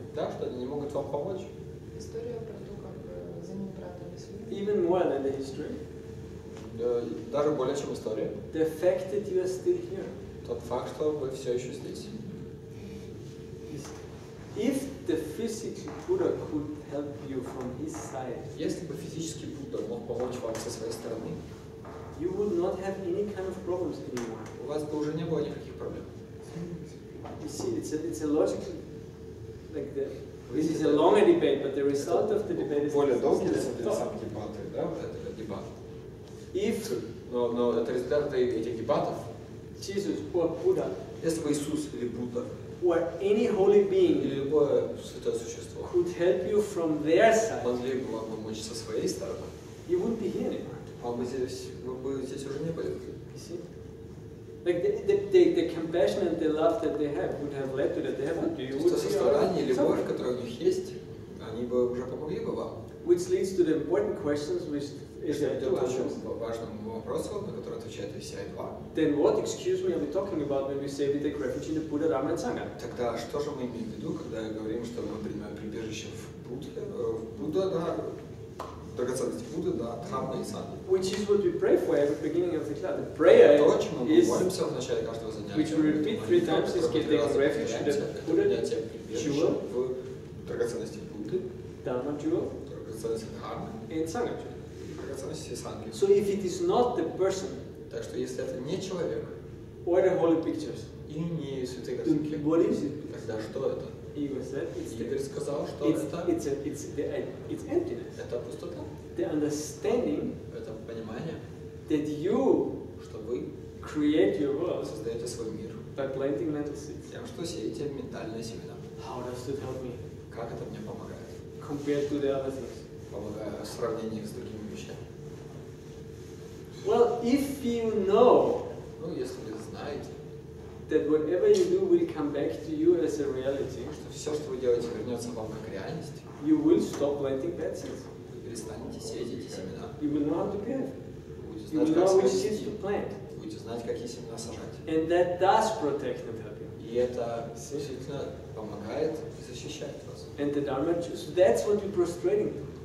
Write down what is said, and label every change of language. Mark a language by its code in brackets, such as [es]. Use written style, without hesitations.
[ru] Да, что они не могут вам помочь. История про то, как за ним прятались. [en] Even more than the history. [ru] Даже более чем история. [en] The fact that you are still here. [ru] Тот факт, что вы все еще здесь. [en] If the physical Buddha could help you from his side, [ru] если бы физический Будда мог помочь вам со своей стороны, [en] you would not have any kind of problems anymore. [ru] У вас бы уже не было никаких проблем. [en] You see, it's a logical, like the. This is a longer debate, but the result of the debate is. [ru] Более долгий, сам дебат, да, это дебат. [en] If. [ru] Но это результат этих дебатов. [en] Jesus or Buddha. [ru] Если бы Иисус или Будда. [en] Or any holy being [ru] любое святое существо [en] could help you from their side, [ru] могли бы вам помочь со своей стороны, [en] you wouldn't be here [ru] anymore. Вы бы здесь уже не были. [en] You see? Like the compassion and the love that they have would have led to that they haven't. [ru] То есть сострадание, любовь, которая у них есть, они бы уже помогли бы вам. [en] Which leads to the important questions which is [ru] очень важным вопросом, на который отвечает ВСИ-2. [en] Then what, excuse me, are we talking about when we say we take refuge in the Buddha, Dhamma and Sangha? [ru] Тогда что же мы имеем в виду, когда говорим, что мы принимаем прибежище в Будде, да, драгоценности Будды, да, Дхамма и Сангха? [en] Which is what we pray for at the beginning of the class. The prayer is... [ru] То, чему мы молимся в начале каждого занятия. [en] Which we repeat three times is get taking refuge in the Buddha, [ru] Dhamma, в драгоценности Будды, [en] Dhamma, jewel, [ru] драгоценности Дхамма [en] and Sangha. So if it is not the person, [ru] так что если это не человек, [en] or the holy pictures, [ru] или не святые картинки, [en] what is it? [ru] Тогда что это? Игорь сказал, что [en] it's emptiness. [ru] Это пустота. [en] The understanding, [ru] это понимание, [en] that you, [ru] что вы, [en] create your world, [ru] создаете свой мир, [en] by planting mental seeds. [ru] Тем, что сеете ментальные семена. [en] How does it help me? [ru] Как это мне помогает? [en] Compared to the other things. [ru] Помогая в сравнении с другими. [en] Well, if you know, [ru] ну если вы знаете, [en] that whatever you do will come back to you as a reality, [ru] что все, что вы делаете, вернется вам как реальность, [en] you will stop planting bad seeds. [ru] Вы перестанете сеять эти семена. [en] You will know how to give. [ru] Вы будете знать, [en] which seeds to plant. [ru] Вы будете знать, какие семена сажать. [en] And that does protect and help you. [ru] И это действительно помогает и защищает вас. [en] And the Dharma, so that's what we're prostrating.